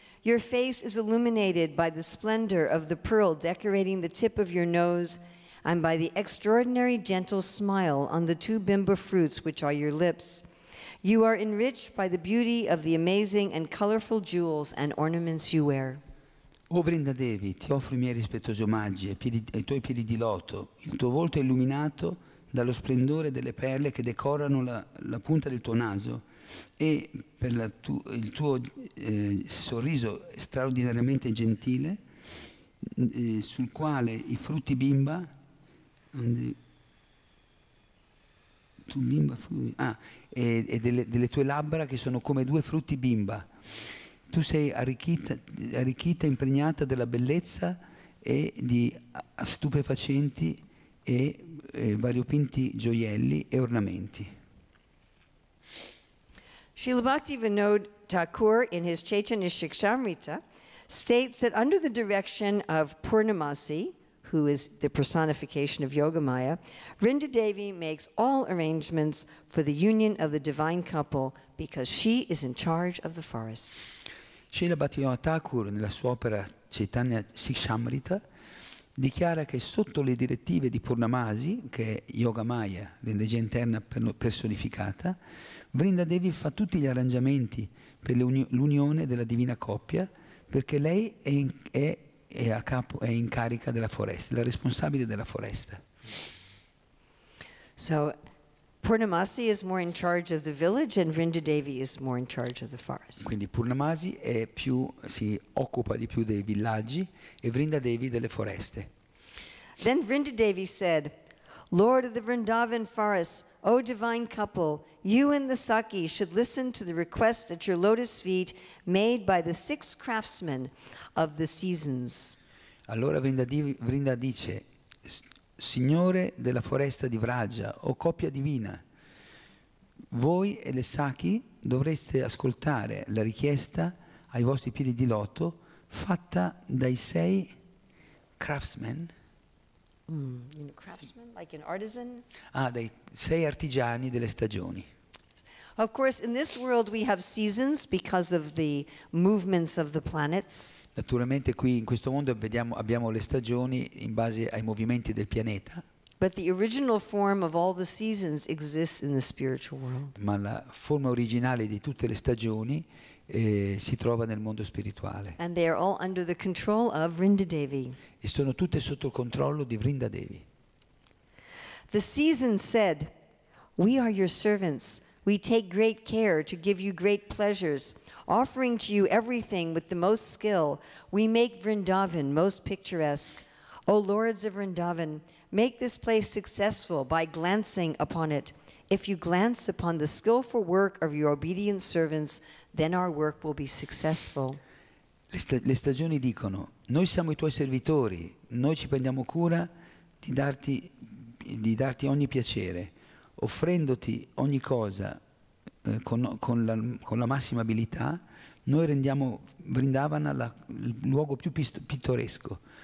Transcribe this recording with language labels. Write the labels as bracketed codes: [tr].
[en] Your face is illuminated by the splendor of the pearl decorating the tip of your nose and by the extraordinary gentle smile on the two bimba fruits which are your lips. You are enriched by the beauty of the amazing and colorful jewels and ornaments you wear. [it] O Vrinda Devi, ti offro i miei rispettosi omaggi ai tuoi piedi di loto, il tuo volto è illuminato dallo splendore delle perle che decorano la punta del tuo naso e per il tuo sorriso straordinariamente gentile sul quale i frutti bimba e delle tue labbra che sono come due frutti bimba. tu sei arricchita, impregnata della bellezza e di stupefacenti e variopinti gioielli e ornamenti. [en] Srila Bhakti Vinod Thakur in his Chaitanya Shikshamrita states that under the direction of Purnamasi, who is the personification of Yogamaya, Vrinda Devi makes all arrangements for the union of the divine couple because she is in charge of the forest. [it] Srila Bhakti Vinod Thakur nella sua opera Chaitanya Shikshamrita dichiara che sotto le direttive di Purnamasi, che è Yogamaya, l'energia interna personificata, Vrinda Devi fa tutti gli arrangiamenti per l'unione della divina coppia, perché lei è in carica della foresta, la responsabile della foresta. [en] So Purnamasi is more in charge of the village and Vrinda Devi is more in charge of the forest. [it] Quindi Purnamasi è più, si occupa di più dei villaggi e Vrinda Devi delle foreste. [en] Then Vrinda Devi said, Lord of the Vrindavan forest, O divine couple, you and the Sakhi should listen to the request at your lotus feet made by the six craftsmen of the seasons. [it] Allora Vrinda dice, Signore della foresta di Vraja, o coppia divina, voi e le Sakhi dovreste ascoltare la richiesta ai vostri piedi di loto fatta dai sei craftsmen. [en] You know, craftsman, like an artisan. [it] Ah, dei sei artigiani delle stagioni. [en] Of course, in this world we have seasons because of the movements of the planets. [it] Naturalmente qui in questo mondo abbiamo le stagioni in base ai movimenti del pianeta. [en] But the original form of all the seasons exists in the spiritual world. [it] Ma la forma originale di tutte le stagioni si trova nel mondo spirituale. [en] And they are all under the control of Vrinda Devi. [it] E sono tutte sotto il controllo di Vrinda Devi. [en] The season said, We are your servants. We take great care to give you great pleasures, offering to you everything with the most skill. We make Vrindavan most picturesque. O lords of Vrindavan, make this place successful by glancing upon it. If you glance upon the skillful work of your obedient servants, then our work will be successful. [it] Le stagioni dicono, noi siamo i tuoi servitori, noi ci prendiamo cura di darti ogni piacere, offrendoti ogni cosa con la massima abilità, noi rendiamo Vrindavana il luogo più pittoresco.